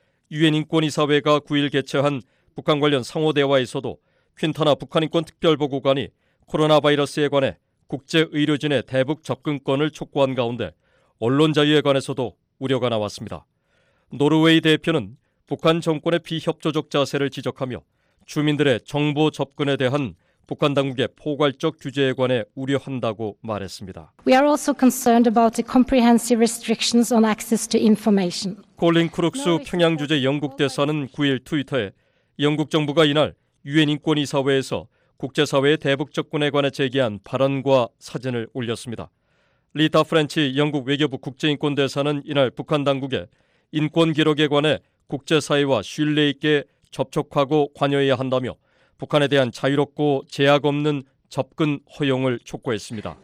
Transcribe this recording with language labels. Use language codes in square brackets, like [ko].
[ko] 유엔인권이사회가 9일 개최한 북한 관련 상호대화에서도 퀸타나 북한인권특별보고관이 코로나 바이러스에 관해 국제의료진의 대북 접근권을 촉구한 가운데 언론 자유에 관해서도 우려가 나왔습니다. 노르웨이 대표는 북한 정권의 비협조적 자세를 지적하며 주민들의 정보 접근에 대한 북한 당국의 포괄적 규제에 관해 우려한다고 말했습니다. [en] We are also concerned about the comprehensive restrictions on access to information. [ko] 콜린 크룩스 평양 주재 영국 대사는 9일 트위터에 영국 정부가 이날 유엔 인권이사회에서 국제사회의 대북 접근에 관해 제기한 발언과 사진을 올렸습니다. 리타 프렌치 영국 외교부 국제인권대사는 이날 북한 당국에 인권 기록에 관해 국제사회와 신뢰 있게 접촉하고 관여해야 한다며 북한에 대한 자유롭고 제약 없는 접근 허용을 촉구했습니다.